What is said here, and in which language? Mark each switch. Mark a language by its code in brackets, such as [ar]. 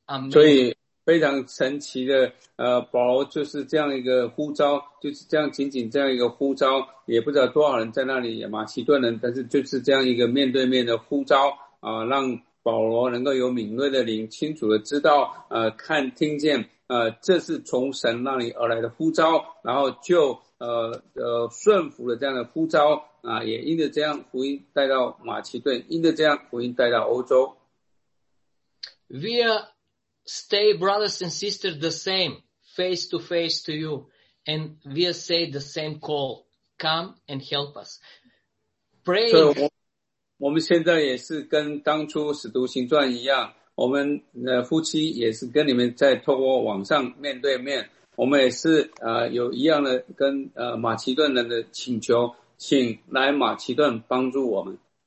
[zh] 所以非常神奇的保罗就是这样一个呼召，就是这样仅仅这样一个呼召，也不知道多少人在那里，马其顿人，但是就是这样一个面对面的呼召让保罗能够有敏锐的灵，清楚的知道看听见这是从神那里而来的呼召，然后就顺服了这样的呼召也因着这样福音带到马其顿，因着这样福音带到欧洲。 [en] Stay, brothers and sisters, the same face to face to you, and we say the same call: come and help us. Pray. So, we [zh] 现在也是跟当初《使徒行传》一样，我们夫妻也是跟你们在透过网上面对面，我们也是有一样的跟马其顿人的请求，请来马其顿帮助我们。